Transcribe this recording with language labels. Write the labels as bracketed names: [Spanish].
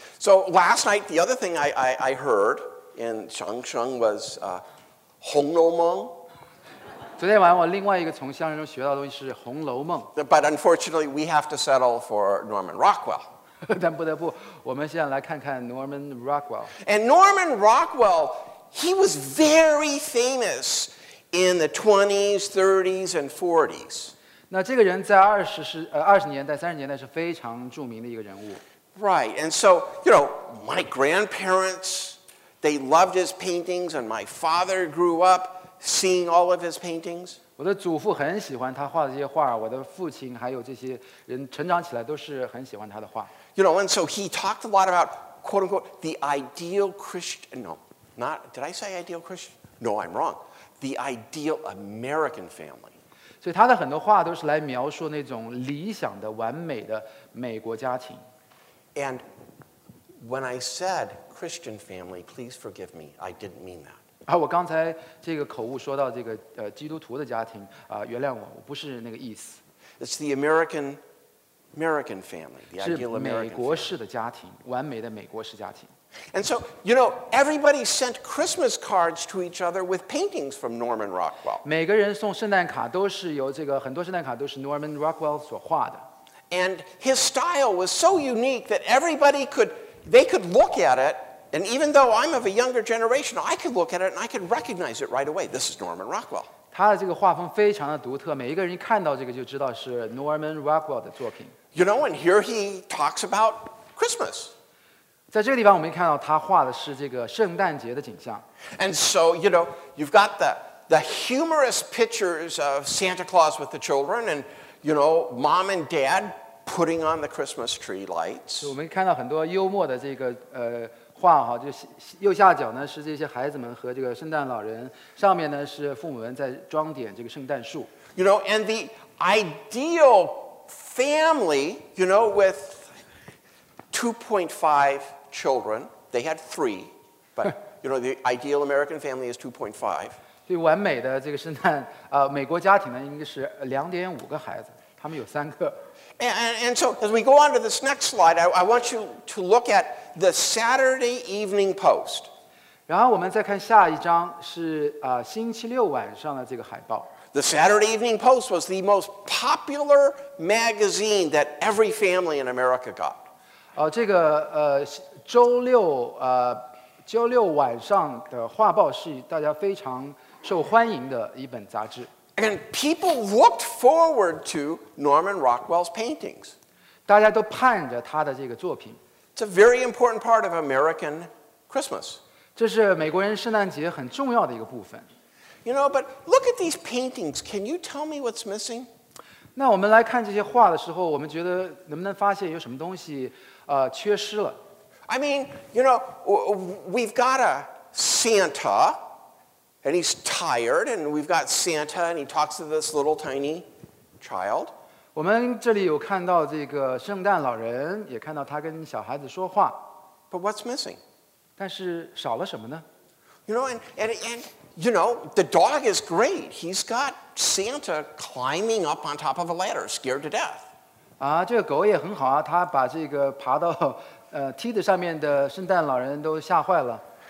[English] So last night, the other thing I heard. And Shang Sheng was Hong Lou Meng. [Chinese] 昨天晚上我另外一个从相声中学到的东西是《红楼梦》。 [English] But unfortunately, we have to settle for Norman Rockwell. [Chinese] 但不得不，我们先来看看 Norman Rockwell. [English] And Norman Rockwell, he was very famous in the 20s, 30s, and 40s. [Chinese] 那这个人在二十年代、三十年代是非常著名的一个人物。 [English] Right, and so, you know, my grandparents, they loved his paintings, and my father grew up seeing all of his paintings. [Chinese] 我的祖父很喜欢他画的这些画，我的父亲还有这些人成长起来都是很喜欢他的画。 [English] You know, and so he talked a lot about, quote unquote, the ideal Christian, no, not, did I say ideal Christian? No, I'm wrong. The ideal American family. [Chinese] 所以他的很多话都是来描述那种理想的完美的美国家庭。 [English] And when I said Christian family, please forgive me, I didn't mean that. [Chinese] 啊，我刚才这个口误说到这个基督徒的家庭啊，原谅我，我不是那个意思。 [English] It's the American family, the ideal American family. [Chinese] 是美国式的家庭，完美的美国式家庭。 [English] And so, you know, everybody sent Christmas cards to each other with paintings from Norman Rockwell. [Chinese] 每个人送圣诞卡都是由这个很多圣诞卡都是 Norman Rockwell 所画的。 [English] And his style was so unique that everybody could, they could look at it. And even though I'm of a younger generation, I could look at it and I could recognize it right away. This is Norman Rockwell. [Chinese] 他的这个画风非常的独特，每一个人一看到这个就知道是 Norman Rockwell 的作品。 [English] You know, and here he talks about Christmas. [Chinese] 在这个地方，我们看到他画的是这个圣诞节的景象。 [English] And so, you know, you've got the humorous pictures of Santa Claus with the children and, you know, mom and dad putting on the Christmas tree lights. [Chinese] 我们看到很多幽默的这个画哈，就右下角呢是这些孩子们和这个圣诞老人，上面呢是父母们在装点这个圣诞树。 [English] You know, and the ideal family, you know, with 2.5 children, they had three, but you know, the ideal American family is 2.5. [Chinese] 最完美的这个圣诞美国家庭呢应该是 2.5 个孩子，他们有三个。 [English] And so, as we go on to this next slide, I want you to look at the Saturday Evening Post. [Chinese] 然后我们再看下一张是星期六晚上的这个海报。 [English] The Saturday Evening Post was the most popular magazine that every family in America got. [Chinese] 这个周六晚上的画报是大家非常受欢迎的一本杂志。 [English] And people looked forward to Norman Rockwell's paintings. [Chinese] 大家都盼着他的这个作品。 [English] It's a very important part of American Christmas. [Chinese] 这是美国人圣诞节很重要的一个部分。 [English] You know, but look at these paintings. Can you tell me what's missing? [Chinese] 那我们来看这些画的时候，我们觉得能不能发现有什么东西缺失了？ [English] I mean, you know, we've got a Santa. And he's tired, and we've got Santa, and he talks to this little tiny child. [Chinese] 我们这里有看到这个圣诞老人，也看到他跟小孩子说话。 [English] But what's missing? [Chinese] 但是少了什么呢？ [English] You know, and you know, the dog is great. He's got Santa climbing up on top of a ladder, scared to death. [Chinese] 啊，这个狗也很好啊，他把这个爬到梯子上面的圣诞老人都吓坏了。